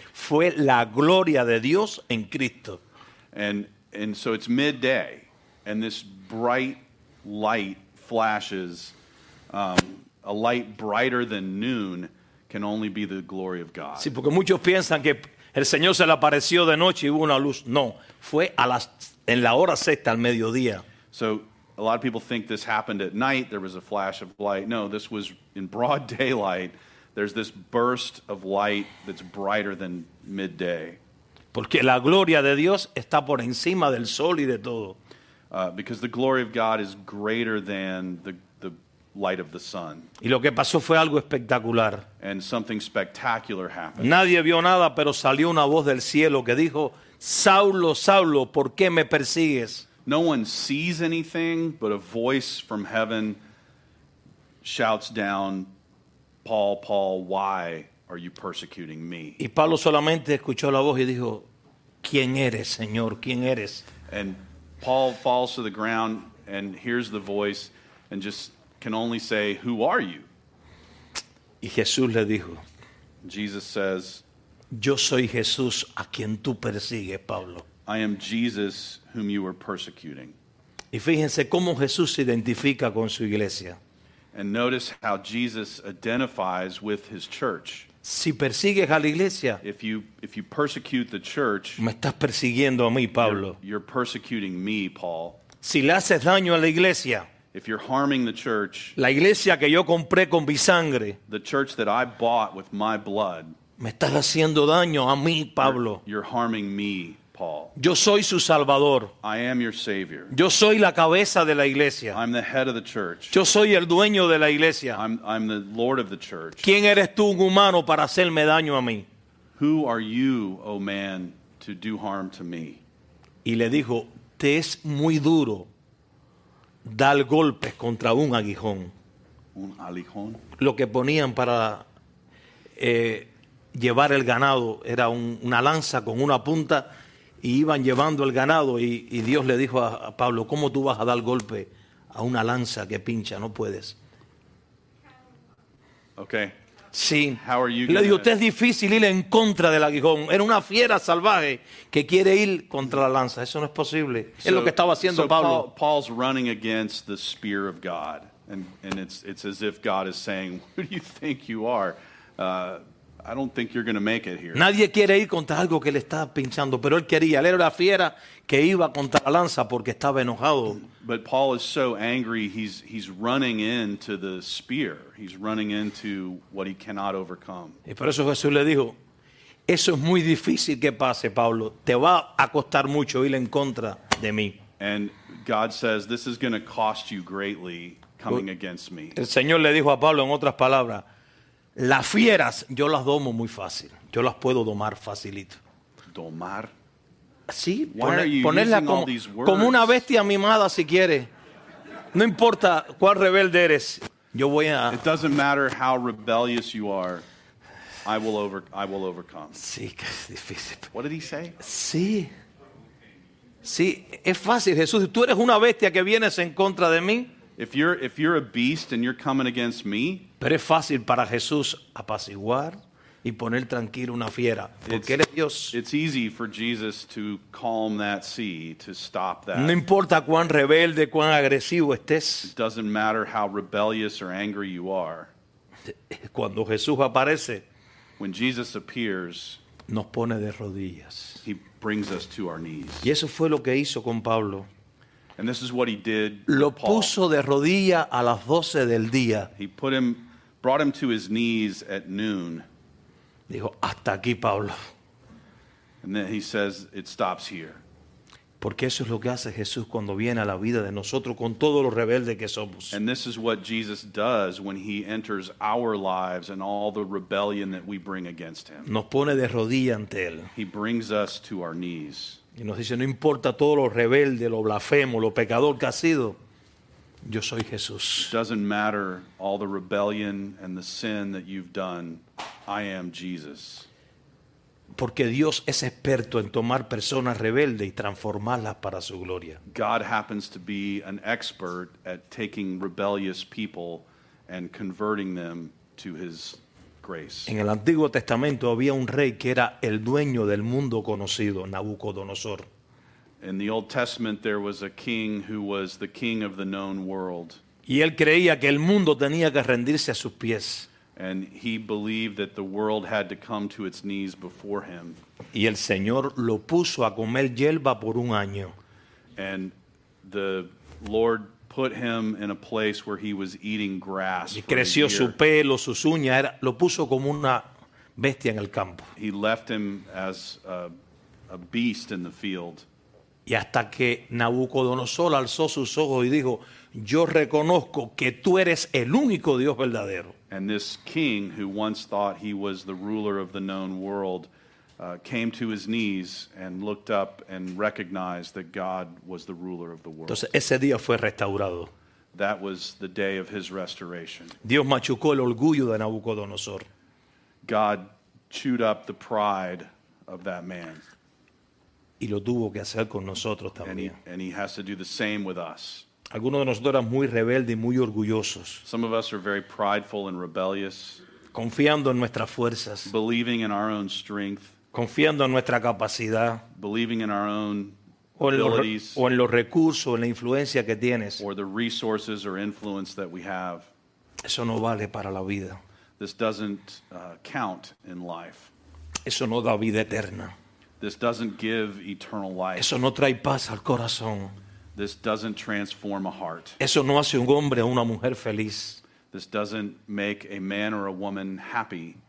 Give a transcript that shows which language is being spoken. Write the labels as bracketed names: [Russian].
[Spanish] Fue la gloria de Dios en Cristo. [English] And so it's midday and this bright light flashes. A light brighter than noon can only be the glory of God. [Spanish] Sí, porque muchos piensan que el Señor se le apareció de noche y hubo una luz. No, fue en la hora sexta al mediodía. [English] So a lot of people think this happened at night. There was a flash of light. No, this was in broad daylight. There's this burst of light that's brighter than midday. [Spanish] Porque la gloria de Dios está por encima del sol y de todo. [English] Because the glory of God is greater than the light of the sun. [Spanish] Y lo que pasó fue algo espectacular. [English] And something spectacular happened. [Spanish] Nadie vio nada, pero salió una voz del cielo que dijo, Saulo, Saulo, ¿por qué me persigues? [English] No one sees anything, but a voice from heaven shouts down, Paul, Paul, why are you persecuting me? [Spanish] Y Pablo solamente escuchó la voz y dijo, ¿quién eres, Señor? ¿Quién eres? [English] And Paul falls to the ground and hears the voice and just can only say, who are you? [Spanish] Y Jesús le dijo, [English] Jesus says, [Spanish] yo soy Jesús a quien tú persigues, Pablo. [English] I am Jesus whom you are persecuting. [Spanish] Y fíjense cómo Jesús se identifica con su iglesia. [English] And notice how Jesus identifies with his church. [Spanish] Si persigues a la iglesia, [English] if you persecute the church, [Spanish] me estás persiguiendo a mí, Pablo. [English] You're persecuting me, Paul. [Spanish] Si le haces daño a la iglesia, [English] if you're harming the church, [Spanish] la iglesia que yo compré con mi sangre, [English] the church that I bought with my blood, [Spanish] me estás haciendo daño a mí, Pablo. [English] You're harming me, Paul. [Spanish] Yo soy su salvador. [English] I am your savior. [Spanish] Yo soy la cabeza de la iglesia. [English] I'm the head of the church. [Spanish] Yo soy el dueño de la iglesia. [English] I'm the lord of the church. [Spanish] ¿Quién eres tú, un humano, para hacerme daño a mí? [English] Who are you, oh man, to do harm to me? [Spanish] Y le dijo, te es muy duro dar golpes contra un aguijón. ¿Un aguijón? Lo que ponían para llevar el ganado era una lanza con una punta y iban llevando el ganado y Dios le dijo a Pablo, ¿cómo tú vas a dar golpe a una lanza que pincha? No puedes. [English] Okay. [Spanish] Sí. [English] How are you [Spanish] le dijo, usted es difícil ir en contra del aguijón. Era una fiera salvaje que quiere ir contra la lanza. Eso no es posible. [English] So, [Spanish] es lo que estaba haciendo [English] so [Spanish] Pablo. [English] Paul's running against the spear of God. And it's as if God is saying, who do you think you are? I don't think you're going to make it here. [Spanish] Nadie quiere ir contra algo que le está pinchando, pero él quería. Él era la fiera que iba contra la lanza porque estaba enojado. [English] But Paul is so angry, he's running into the spear. He's running into what he cannot overcome. [Spanish] Y por eso Jesús le dijo, eso es muy difícil que pase, Pablo. Te va a costar mucho ir en contra de mí. [English] And God says, this is going to cost you greatly coming against me. [Spanish] El Señor le dijo a Pablo, en otras palabras, las fieras, yo las domo muy fácil. Yo las puedo domar facilito. ¿Domar? Sí, ponerla como una bestia mimada si quieres. No importa cuál rebelde eres, yo voy a... [English] It doesn't matter how rebellious you are, I will overcome. [Spanish] Sí, que es difícil. [English] What did he say? [Spanish] Sí. Sí, es fácil, Jesús. Tú eres una bestia que vienes en contra de mí. [English] If you're a beast and you're coming against me, [Spanish] pero es fácil para Jesús apaciguar y poner tranquilo una fiera, porque él es Dios. [English] It's easy for Jesus to calm that sea, to stop that. [Spanish] No importa cuán rebelde, cuán agresivo estés. [English] It doesn't matter how rebellious or angry you are. [Spanish] Cuando Jesús aparece, [English] when Jesus appears, [Spanish] nos pone de rodillas. [English] He brings us to our knees. [Spanish] Y eso fue lo que hizo con Pablo. [English] And this is what he did. [Spanish] Lo puso de rodilla a las 12 del día. [English] He put him, brought him to his knees at noon. [Spanish] Dijo, hasta aquí, Pablo. [English] And then he says, it stops here. [Spanish] Porque eso es lo que hace Jesús cuando viene a la vida de nosotros con todos los rebeldes que somos. [English] And this is what Jesus does when he enters our lives and all the rebellion that we bring against him. [Spanish] Nos pone de rodilla ante él. [English] He brings us to our knees. [Spanish] Y nos dice, no importa todo lo rebelde, lo blasfemo, lo pecador que ha sido, yo soy Jesús. [English] It doesn't matter all the rebellion and the sin that you've done, I am Jesus. [Spanish] Porque Dios es experto en tomar personas rebeldes y transformarlas para su gloria. [English] God happens to be an expert at taking rebellious people and converting them to his grace. [Spanish] En el Antiguo Testamento había un rey que era el dueño del mundo conocido, Nabucodonosor. [English] In the Old Testament there was a king who was the king of the known world. [Spanish] Y él creía que el mundo tenía que rendirse a sus pies. [English] And he believed that the world had to come to its knees before him. [Spanish] Y el Señor lo puso a comer hierba por un año. [English] And the Lord put him in a place where he was eating grass. [Spanish] Y creció su pelo, sus uñas, lo puso como una bestia en el campo. [English] He left him as a beast in the field. [Spanish] Y hasta que Nabucodonosor alzó sus ojos y dijo, yo reconozco que tú eres el único Dios verdadero. [English] And this king, who once thought he was the ruler of the known world, came to his knees and looked up and recognized that God was the ruler of the world. [Spanish] Entonces, ese día fue restaurado. [English] That was the day of his restoration. [Spanish] Dios machucó el orgullo de Nabucodonosor. [English] God chewed up the pride of that man. [Spanish] Y lo tuvo que hacer con nosotros también. [English] And he has to do the same with us. [Spanish] Algunos de nosotros eran muy rebeldes y muy orgullosos. [English] Some of us are very prideful and rebellious. [Spanish] Confiando en nuestras fuerzas. [English] Believing in our own strength. [Spanish] Confiando en nuestra capacidad. [English] Believing in our own abilities. [Spanish] O en los recursos, en la influencia que tienes. [English] Or the resources or influence that we have. [Spanish] Eso no vale para la vida. [English] This doesn't count in life. [Spanish] Eso no da vida eterna. [English] This doesn't give eternal life. [Spanish] Eso no trae paz al corazón. [English] This doesn't transform a heart. [Spanish] Eso no hace un hombre o una mujer feliz. [English] This doesn't make a man or a woman happy.